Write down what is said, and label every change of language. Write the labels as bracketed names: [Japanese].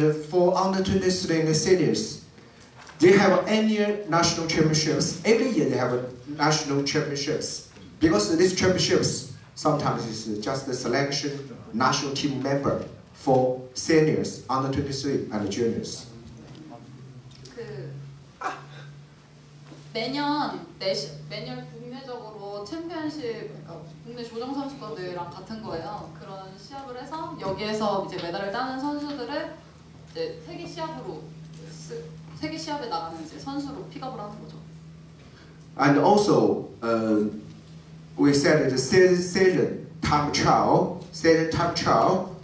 [English] For under 23 and the seniors, they have annual national championships. Every year they have national championships because these championships sometimes is just the selection national team member. For seniors under 23 and juniors. [Korean] 그 매년 매년 국내적으로 챔피언십 그러니까 국내 조정 선수권들이랑 같은 거예요. 그런 시합을 해서 여기에서 이제 메달을 따는 선수들을 이제 세계 시합으로 세계 시합에 나가는 이제 선수로 픽업을 하는 거죠. [English] And also, we said the season time trial, season time trial.